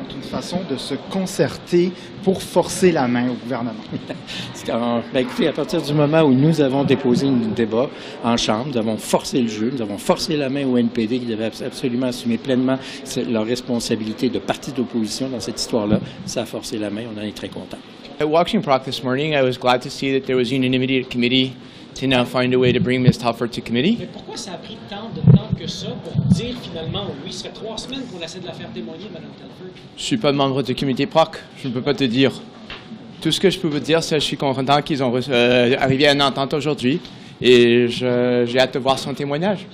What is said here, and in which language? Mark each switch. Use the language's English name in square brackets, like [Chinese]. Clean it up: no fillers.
[French] Façon de se concerter pour forcer la main au gouvernement. Ben écoutez, à partir du moment où nous avons déposé un débat en Chambre, nous avons forcé le jeu, nous avons forcé la main au NPD qui devait absolument assumer pleinement leur responsabilité de parti d'opposition dans cette histoire-là. Ça a forcé la main, on en est très content. [English] At watching Proc this morning, I was glad to see that there was unanimity at committee to now find a way to bring Ms. Telford to committee. [French] Mais pourquoi ça a pris tant de temps que ça pour dire finalement oui, ça fait trois semaines qu'on essaie de la faire témoigner, Mme Telford? Je ne suis pas membre du comité PROC, je ne peux pas te dire. Tout ce que je peux vous dire, c'est que je suis content qu'ils ont arrivé à une entente aujourd'hui et j'ai hâte de voir son témoignage.